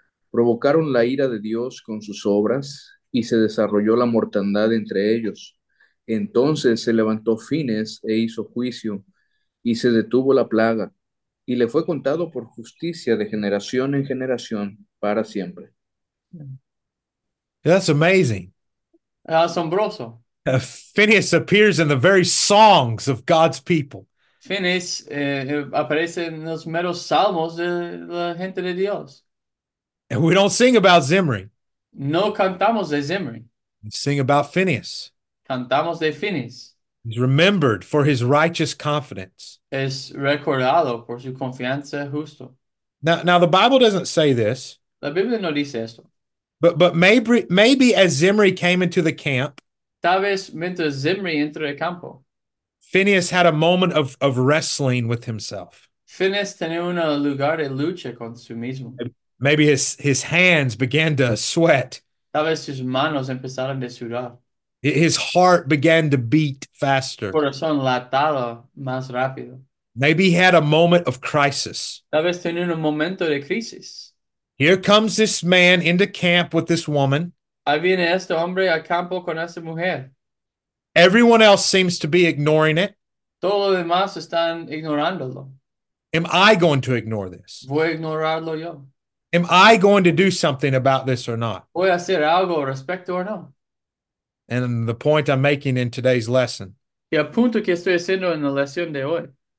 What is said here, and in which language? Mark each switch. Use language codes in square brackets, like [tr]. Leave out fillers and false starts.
[es] Provocaron la ira de Dios con sus obras y se desarrolló la mortandad entre ellos. Entonces se levantó Phinees e hizo juicio y se detuvo la plaga y le fue contado por justicia de generación en generación para siempre. [en] That's amazing. [es] Asombroso. [en] Phineas appears in the very songs of God's people. [es] fines aparecen en los meros salmos de la gente de Dios. [en] And we don't sing about Zimri. [es] No cantamos de Zimri. [en] We sing about Phineas. [es] Cantamos de Phineas. [en] He's remembered for his righteous confidence. [es] Es recordado por su confianza justo. [en] Now the Bible doesn't say this. [es] La Biblia no dice esto. [en] But maybe as Zimri came into the camp, [es] tal vez mientras Zimri entra el campo, [en] Phineas had a moment of wrestling with himself. [es] Phineas tenía un lugar de lucha con su mismo. [en] Maybe his hands began to sweat. [es] Tal vez sus manos empezaron a sudar. [en] His heart began to beat faster. [es] Corazón latado más rápido. [en] Maybe he had a moment of crisis. [es] Tal vez tenía un momento de crisis. [en] Here comes this man into camp with this woman. [es] Ahí viene este hombre al campo con esta mujer. [en] Everyone else seems to be ignoring it. [es] Todos los demás están ignorándolo. [en] Am I going to ignore this? [es] Voy a ignorarlo yo. [en] Am I going to do something about this or not? [es] Voy a hacer algo al respecto o no? [en] And the point I'm making in today's lesson. [es] Y el punto que estoy haciendo en la lección de hoy.